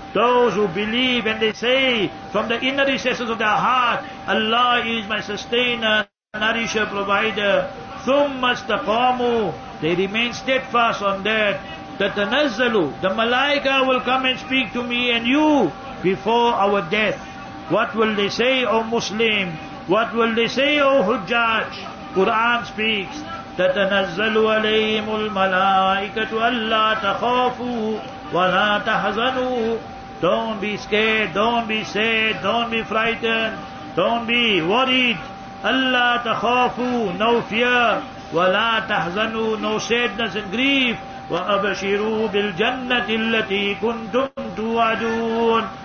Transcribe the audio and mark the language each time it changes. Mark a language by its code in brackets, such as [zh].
[en] Those who believe and they say from the inner recesses of their heart, Allah is my sustainer, nourisher, provider. [ar] Thumma istaqamu. [en] They remain steadfast on that. Tatanazzalu. The malaika will come and speak to me and you before our death. What will they say, O Muslim? What will they say, O Hujjaj? Quran speaks, [ar] تَتَنَزَّلُ عَلَيْهِمُ الْمَلَائِكَةُ أَلَّا تَخَافُوا وَلَا تَحَزَنُوا. [en] Don't be scared, don't be sad, don't be frightened, don't be worried. [ar] أَلَّا تَخَافُوا, [en] no fear. [ar] وَلَا تَحْزَنُوا, [en] no sadness and grief. [ar] وَأَبَشِرُوا بِالْجَنَّةِ الَّتِي كُنْتُمْ تُوَعَدُونَ.